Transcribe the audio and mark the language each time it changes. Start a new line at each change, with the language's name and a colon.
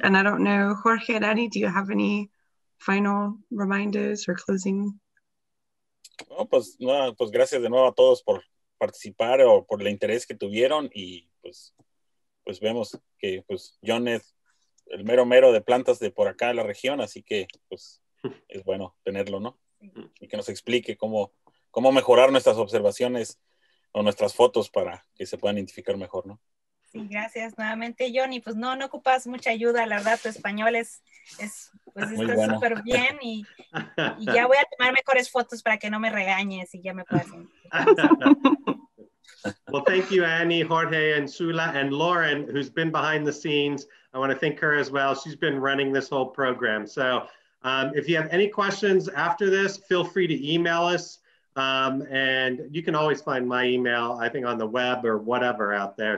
English: And I don't know, Jorge and Annie, do you have any final reminders or closing?
Spanish: Oh, pues, no, pues gracias de nuevo a todos por participar o por el interés que tuvieron, y pues vemos que pues John es el mero mero de plantas de por acá de la región, así que pues es bueno tenerlo, ¿no? Y que nos explique cómo mejorar nuestras observaciones o nuestras fotos para que se puedan identificar mejor, ¿no? Sí, gracias nuevamente, Johnny. Pues no ocupas mucha ayuda, la verdad, tu español está súper bien y ya voy a tomar mejores fotos para que no me regañes y ya me puedas.
English: Well, thank you, Annie, Jorge, and Sula, and Lauren, who's been behind the scenes. I want to thank her as well. She's been running this whole program. So if you have any questions after this, feel free to email us. And you can always find my email, I think, on the web or whatever out there.